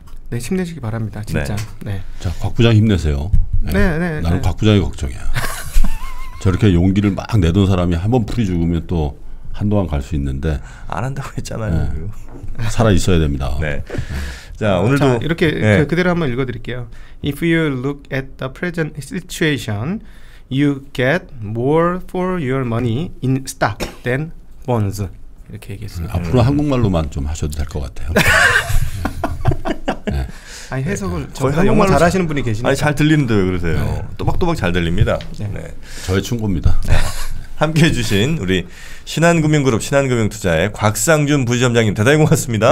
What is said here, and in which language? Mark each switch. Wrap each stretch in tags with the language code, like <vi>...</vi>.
<ko>네, 힘내시기 바랍니다. 진짜. 네. 네. 자, 곽 부장 힘내세요. 네, 네. 네 나는 네. 곽 부장이 걱정이야. 저렇게 용기를 막 내던 사람이 한번 풀이 죽으면 또 한동안 갈 수 있는데 안 한다고 했잖아요. 네. 살아 있어야 됩니다. 네. 자, 오늘도 자, 이렇게 네. 그대로 한번 읽어 드릴게요.</ko> <en>If you look at the present situation, you get more for your money in stock than bonds.</en> <ko>이렇게 얘기했습니다. 앞으로 한국말로만 좀 하셔도 될 것 같아요. 네. 아니 해석을 네. 거의 한국말 잘하시는 분이 계시네요. 아니 잘 들리는데 왜 그러세요? 네. 또박또박 잘 들립니다. 네. 네. 저의 충고입니다. 함께해 주신 우리 신한금융그룹 신한금융투자의 곽상준 부지점장님 대단히 고맙습니다.</ko>